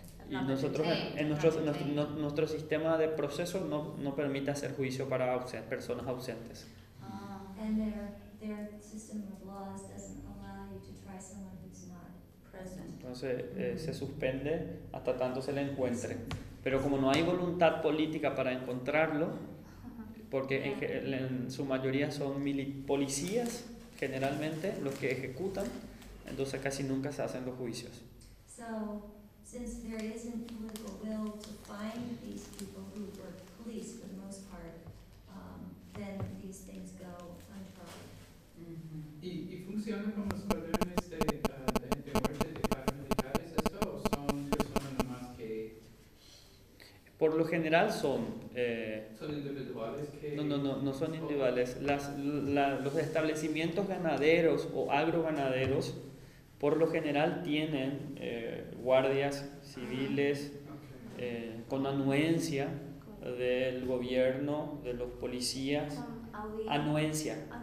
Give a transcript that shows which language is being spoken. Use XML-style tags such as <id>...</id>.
<es>y nosotros nuestro sistema de proceso no permite hacer juicio para personas ausentes.</es> <en>And their system of laws doesn't allow you to try someone who's not present.</en> <es>Entonces se suspende hasta tanto se le encuentre, pero como no hay voluntad política para encontrarlo, porque en su mayoría son policías generalmente los que ejecutan, entonces casi nunca se hacen los juicios.</es> <en>So, since there isn't political will to find these people who were police for the most part, then these things go untried.</en> <es>Y funciona como los padrones de muerte de paramilitares, ¿esto o son personas nomás que? Por lo general son. ¿Son individuales que? No son individuales. Los establecimientos ganaderos o agroganaderos, por lo general tienen guardias civiles con anuencia del gobierno, de los policías, anuencia</es>